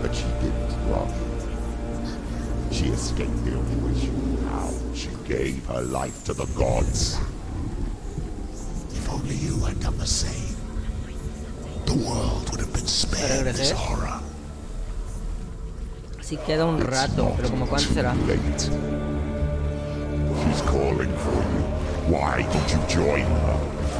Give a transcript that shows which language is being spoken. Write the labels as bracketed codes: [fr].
[en] But she didn't run. She escaped the only way she knew how. She gave her life to the gods. Only you had done the same. The world would have been spared this horror. [es] Si queda un rato, pero como cuánto será. [en] Late. She's calling for you. Why did you join her?